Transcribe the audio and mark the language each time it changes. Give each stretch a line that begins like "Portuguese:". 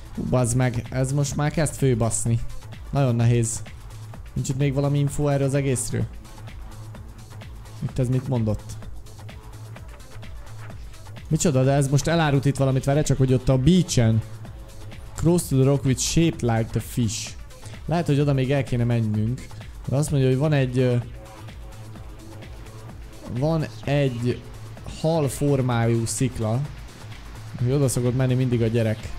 Hungarian: Bazd meg, ez most már kezd főbaszni. Nagyon nehéz. Nincs itt még valami info erről az egészről? Itt ez mit mondott? Micsoda, de ez most elárult itt valamit vele, csak hogy ott a beachen.
English: Cross to the rock with shaped like the fish.
Hungarian: Lehet, hogy oda még el kéne mennünk. De azt mondja, hogy van egy hal formájú szikla. Hogy oda szokott menni mindig a gyerek.